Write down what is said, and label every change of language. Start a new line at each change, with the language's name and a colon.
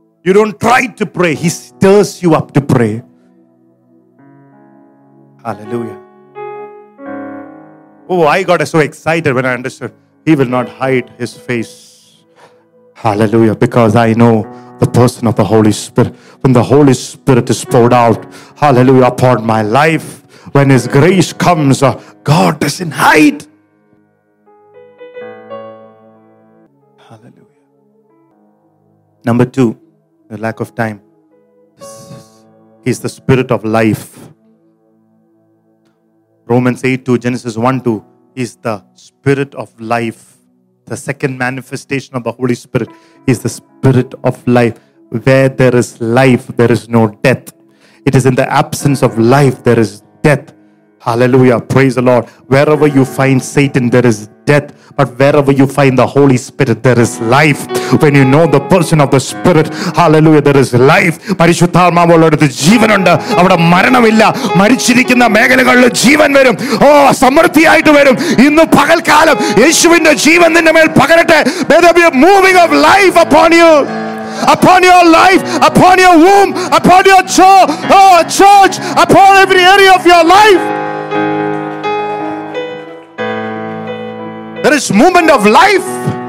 English: You don't try to pray, he stirs you up to pray. Hallelujah. Oh, I got so excited when I understood he will not hide his face. Hallelujah, because I know the person of the Holy Spirit. When the Holy Spirit is poured out, hallelujah, upon my life, when His grace comes, God doesn't hide. Hallelujah. Number two, the lack of time. He's the Spirit of life. Romans 8:2, Genesis 1:2, He's the Spirit of life. The second manifestation of the Holy Spirit is the Spirit of life. Where there is life, there is no death. It is in the absence of life, there is death. Hallelujah. Praise the Lord. Wherever you find Satan, there is death. But wherever you find the Holy Spirit, there is life. When you know the person of the Spirit, hallelujah, there is life.
Malayalam: പരിശുദ്ധാത്മാവുള്ളടത്ത് ജീവനുണ്ട്, അവിടെ മരണമില്ല. മരിച്ചിരിക്കുന്ന മേഖലകളിൽ ജീവൻ വരും. ഓ, സമൃദ്ധിയായിട്ട് വരും. ഇന്ന് പകൽക്കാലം യേശുവിന്റെ ജീവൻ നിന്റെ മേൽ പകരട്ടെ.
English: Moving of life upon you. Upon your life, upon your womb, upon your church, upon every area of your life. There is movement of life.